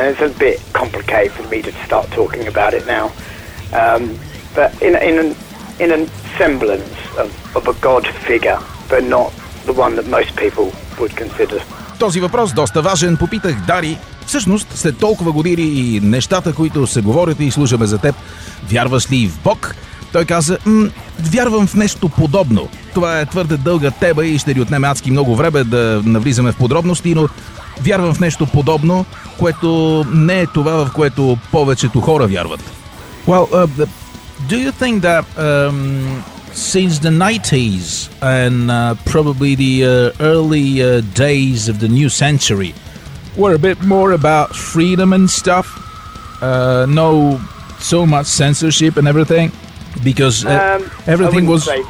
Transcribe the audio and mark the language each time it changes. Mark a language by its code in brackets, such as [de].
[en] It's a bit complicated for me to start talking about it now. But in a semblance of a God figure, but not the one that most people would consider. [bg] Този въпрос доста важен. Попитах Дари. Всъщност, след толкова години и нещата, които се говорят и служаме за теб, вярваш ли в Бог? Той каза, вярвам в нещо подобно. Това е твърде дълга тема и ще ни отнеме адски много време да навлизаме в подробности, но вярвам в нещо подобно, което не е това, в което повечето хора вярват. [en] Well, do you think that since the 90s and probably the early days of the new century were a bit more about freedom and stuff, no so much censorship and everything, because everything was...